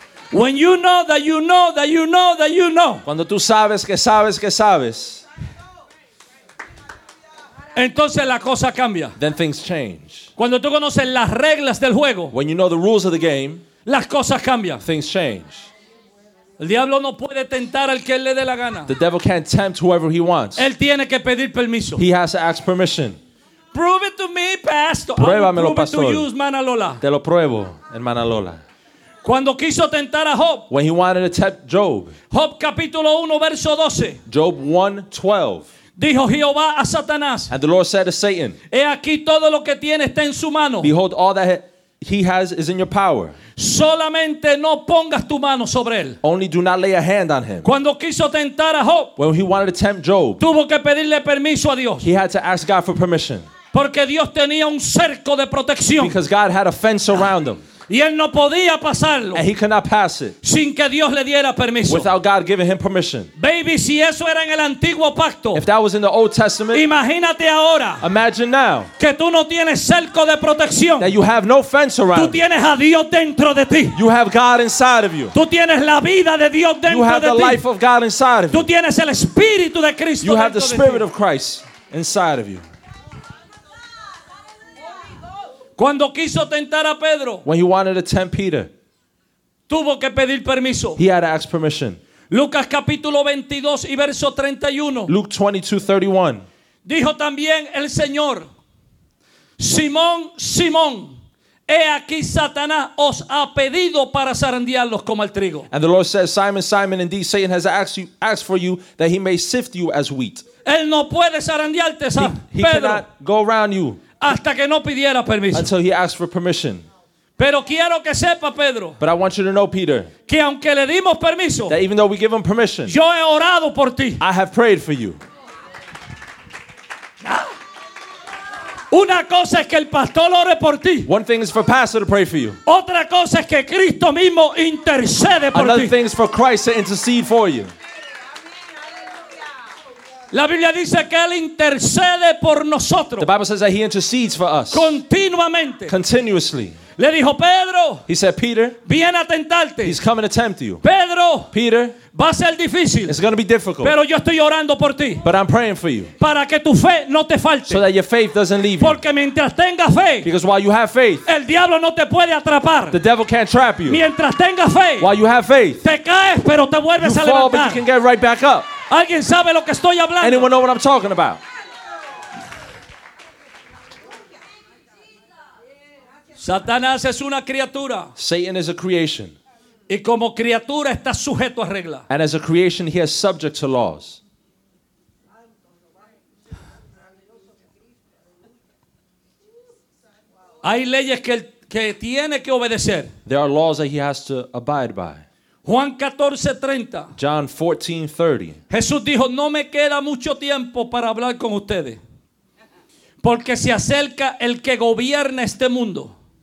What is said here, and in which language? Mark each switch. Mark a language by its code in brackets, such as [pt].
[en] When you know that you know that you know that you know. [es] Cuando tú sabes que sabes que sabes. Entonces la cosa cambia. [en] Then things change. [es] Cuando tú conoces las reglas del juego, [en] when you know the rules of the game, [es] las cosas cambian. [en] Things change. [es] El diablo no puede tentar al que él le dé la gana. [en] The devil can't tempt whoever he wants. [es] Él tiene que pedir permiso. [en] He has to ask permission. Prove it to me, pastor. [es] Pruébamelo, [en] prove pastor. It to you, hermana Lola. [es] Te lo pruebo, hermana Lola. Cuando quiso tentar a Job. [en] When he wanted to tempt Job. [es] Job capítulo 1 verso 12. [en] Job 1:12. [es] Dijo Jehová a Satanás. [en] And the Lord said to Satan. [es] He aquí todo lo que tiene está en su mano. [en] Behold, all that he has is in your power. [es] Solamente no pongas tu mano sobre él. [en] Only do not lay a hand on him. [es] Cuando quiso tentar a Job. [en] When he wanted to tempt Job. [es] Tuvo que pedirle permiso a Dios. [en] He had to ask God for permission. [es] Porque Dios tenía un cerco de protección. [en] Because God had a fence around him. [es] Y él no podía pasarlo. [en] And he could not pass it. [es] Sin que Dios le diera permiso. [en] Without God giving him permission. [es] Baby, si eso era en el antiguo pacto. [en] If that was in the Old Testament. [es] Imagínate ahora. [en] Imagine now. [es] Que tú no tienes cerco de protección. [en] That you have no fence around. [es] Tú tienes a Dios dentro de ti. [en] You have God inside of you. [es] Tú tienes la vida de Dios dentro de ti. [en] You have the life of God inside of you. [es] Tú tienes el espíritu de Cristo dentro de ti. [en] You have the spirit of Christ inside of you. [es] Cuando quiso tentar a Pedro, [en] when he wanted to tempt Peter, [es] tuvo que pedir permiso. [en] He had to ask permission. [es] Lucas capítulo 22 y verso 31. [en] Luke 22:31. [es] Dijo también el Señor, Simón, Simón, he aquí Satanás os ha pedido para zarandearlos como el trigo. [en] And the Lord says, Simon, Simon, indeed Satan has asked for you that he may sift you as wheat. [es] Él no puede zarandearte, Pedro. [en] He cannot go around you. [es] Hasta que no pidiera permiso. [en] Until he asked for permission. [es] Pero quiero que sepa, Pedro. [en] But I want you to know, Peter. [es] Que aunque le dimos permiso. [en] That even though we give him permission. [es] Yo he orado por ti. [en] I have prayed for you. [es] Una cosa es que el pastor ore por ti. [en] One thing is for pastor to pray for you. [es] Otra cosa es que Cristo mismo intercede por [en] Another Another thing is for Christ to intercede for you. [es] La Biblia dice que él intercede por nosotros. [en] The Bible says that he intercedes for us. [es] Continuamente. [en] Continuously. [es] Le dijo Pedro. [en] He said, Peter. [es] Viene a tentarte. [en] He's coming to tempt you. [es] Pedro. [en] Peter. [es] Va a ser difícil. [en] It's going to be difficult. [es] Pero yo estoy orando por ti. [en] But I'm praying for you. [es] Para que tu fe no te falte. [en] So that your faith doesn't leave you. [es] Porque mientras tenga fe. [en] Because while you have faith. [es] El diablo no te puede atrapar. [en] The devil can't trap you. [es] Mientras tenga fe. [en] While you have faith. [es] Te caes, pero te vuelves [en] you [es] a levantar. [en] You fall, but you can get right back up. [es] ¿Alguien sabe lo que estoy hablando? [en] Anyone know what I'm talking about? [es] Satanás es una criatura. [en] Satan is a creation. [es] Y como criatura está sujeto a reglas. [en] And as a creation, he is subject to laws. [es] Hay leyes que tiene que obedecer. [en] There are laws that he has to abide by. [es] Juan 14:30. [en] John 14:30. [es] Jesús dijo, no me queda mucho tiempo para hablar con ustedes. Porque se acerca el que gobierna este mundo.